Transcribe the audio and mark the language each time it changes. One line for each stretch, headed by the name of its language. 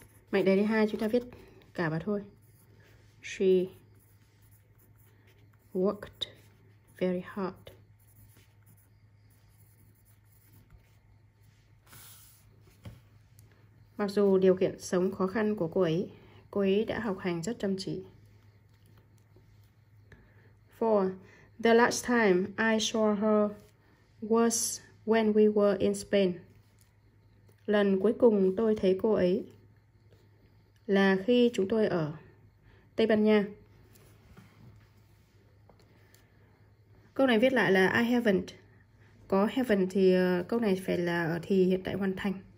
Vietnamese: Mệnh đề thứ hai chúng ta viết cả vào thôi.
English: She worked very hard.
Vietnamese: Mặc dù điều kiện sống khó khăn của cô ấy đã học hành rất chăm chỉ.
English: For the last time I saw her was when we were in Spain.
Vietnamese: Lần cuối cùng tôi thấy cô ấy là khi chúng tôi ở Tây Ban Nha. Câu này viết lại là
English: I haven't.
Vietnamese: Có haven't thì câu này phải là ở thì hiện tại hoàn thành.